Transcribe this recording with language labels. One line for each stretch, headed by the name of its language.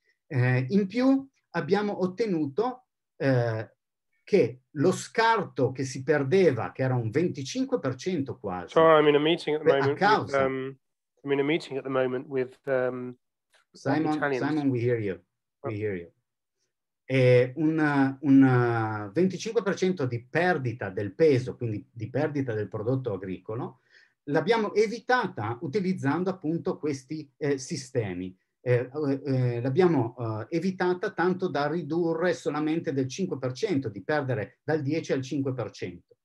Italian: In più abbiamo ottenuto che lo scarto che si perdeva, che era un 25% quasi.
English: Sorry, I'm in a meeting at the moment. I'm in a meeting at the moment with Simon, we hear you.
Italian: Un 25% di perdita del peso, quindi di perdita del prodotto agricolo, l'abbiamo evitata utilizzando appunto questi sistemi. L'abbiamo evitata tanto da ridurre solamente del 5%, di perdere dal 10 al 5%.